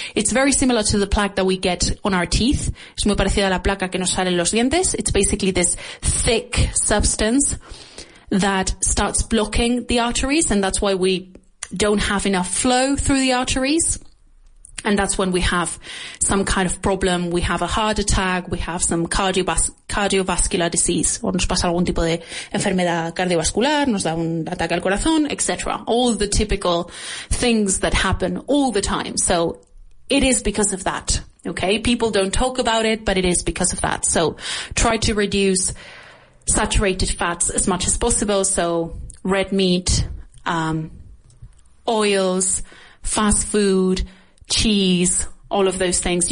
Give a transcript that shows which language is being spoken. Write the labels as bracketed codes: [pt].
[en] It's very similar to the plaque that we get on our teeth. [es] Es muy parecida a la placa que nos sale en los dientes. [en] It's basically this thick substance that starts blocking the arteries. And that's why we don't have enough flow through the arteries. And that's when we have some kind of problem. We have a heart attack. We have some cardiovascular disease. [es] O nos pasa algún tipo de enfermedad cardiovascular. Nos da un ataque al corazón, etc. [en] All the typical things that happen all the time. So it is because of that. Okay. People don't talk about it, but it is because of that. So try to reduce saturated fats as much as possible. So red meat, oils, fast food, cheese, all of those things.